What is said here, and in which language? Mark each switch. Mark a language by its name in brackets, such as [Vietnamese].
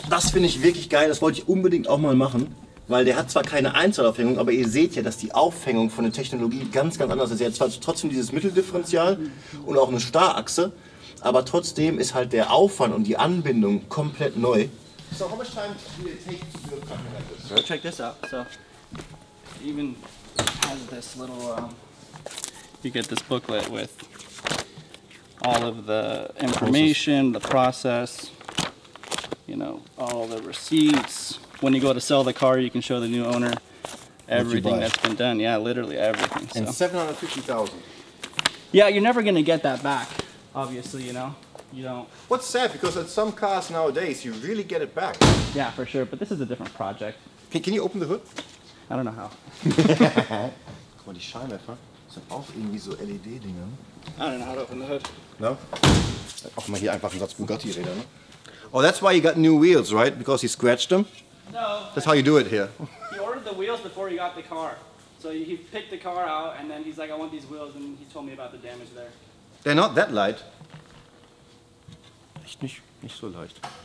[German] Das finde ich wirklich geil, das wollte ich unbedingt auch mal machen. Weil der hat zwar keine Einzelaufhängung, aber ihr seht ja, dass die Aufhängung von der Technologie ganz, ganz anders ist. Er hat trotzdem dieses Mitteldifferential und auch eine Starrachse, aber trotzdem ist halt der Aufwand und die Anbindung komplett neu. [English] So, how much time will it take to do a cracker like this? Check this out. So, even has this little... You get this booklet with all of the information, the process, you know, all the receipts. When you go to sell the car, you can show the new owner everything that's been done. Yeah, literally everything. And so. 750,000. Yeah, you're never going to get that back, obviously, you know. You don't. What's sad, because at some cars nowadays, you really get it back. Yeah, for sure, but this is a different project. Can you open the hood? I don't know how. [German] Guck mal, die Scheinwerfer. Das sind auch irgendwie so LED-Dinger. [English] I don't know how to open the hood. [German] No? Auch mal hier einfach ein Satz Bugatti-Räder, ne? [English] Oh, that's why you got new wheels, right? Because he scratched them? No. That's how you do it here. He ordered the wheels before he got the car. So he picked the car out and then he's like, I want these wheels, and he told me about the damage there. They're not that light. [German] Echt nicht so leicht.